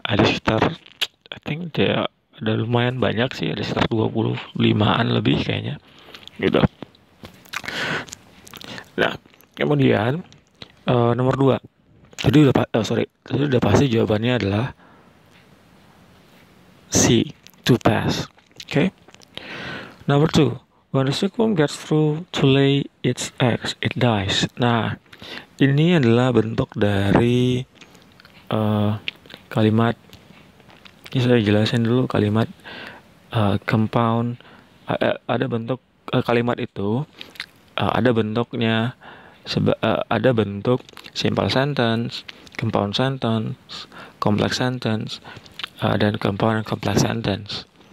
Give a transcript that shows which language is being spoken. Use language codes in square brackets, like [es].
[id] Ada sekitar, [en] I think [id] dia ada lumayan banyak sih, ada sekitar 25-an lebih kayaknya. Gitu. Nah, kemudian nomor 2. Tadi udah pasti jawabannya adalah C, to pass. [en] Oke. Okay. Number 2. When the silkworm gets through to lay its eggs, it dies. [id] Nah, ini adalah bentuk dari kalimat, ini saya jelasin dulu kalimat compound. Ada bentuk kalimat itu ada bentuknya, ada bentuk simple sentence, compound sentence, complex sentence, dan compound complex sentence.